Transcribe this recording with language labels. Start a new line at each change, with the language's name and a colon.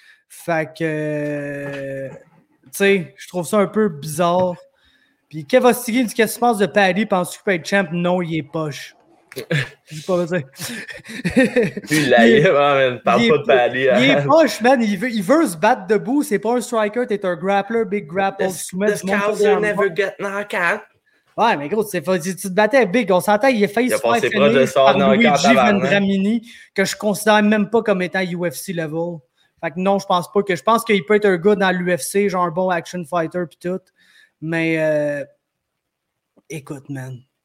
French: Fait que, tu sais, je trouve ça un peu bizarre. Puis Kev Ostiguin dit, qu'est-ce que tu penses de Paddy? Penses-tu qu'il peut être champ? Non, il est poche. Je sais pas, tu l'as man. Parle pas de Paddy. Il est poche, man. Il veut se battre debout. C'est pas un striker. T'es un grappler, big grapple.
English: The scouser never get knocked out.
French: Ouais, mais gros, tu te battais big. On s'entend, il a failli se faire finir par Luigi Vendramini, que je considère même pas comme étant UFC level. Fait que non, je pense pas. Je pense qu'il peut être un gars dans l'UFC, genre un bon action fighter pis tout. Mais écoute, man.